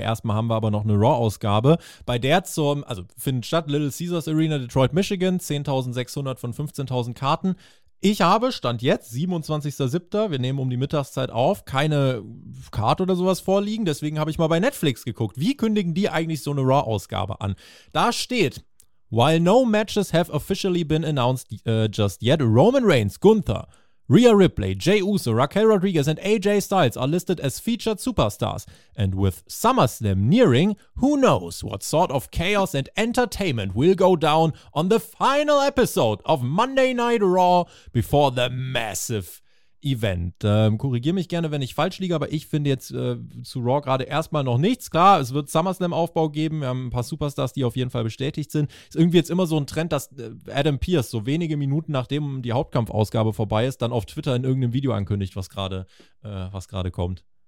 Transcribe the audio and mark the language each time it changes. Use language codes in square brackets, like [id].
[de] Erstmal haben wir aber noch eine Raw-Ausgabe, bei der zum, also findet statt, Little Caesars Arena, Detroit, Michigan, 10.600 von 15.000 Karten. Ich habe, Stand jetzt, 27.07., wir nehmen um die Mittagszeit auf, keine Karte oder sowas vorliegen, deswegen habe ich mal bei Netflix geguckt. Wie kündigen die eigentlich so eine Raw-Ausgabe an? Da steht: [en] While no matches have officially been announced just yet, Roman Reigns, Gunther, Rhea Ripley, Jey Uso, Raquel Rodriguez and AJ Styles are listed as featured superstars. And with SummerSlam nearing, who knows what sort of chaos and entertainment will go down on the final episode of Monday Night Raw before the massive Event. [de] Korrigier mich gerne, wenn ich falsch liege, aber ich finde jetzt zu Raw gerade erstmal noch nichts. Klar, es wird SummerSlam-Aufbau geben, wir haben ein paar Superstars, die auf jeden Fall bestätigt sind. Ist irgendwie jetzt immer so ein Trend, dass Adam Pearce so wenige Minuten nachdem die Hauptkampfausgabe vorbei ist, dann auf Twitter in irgendeinem Video ankündigt, was gerade kommt.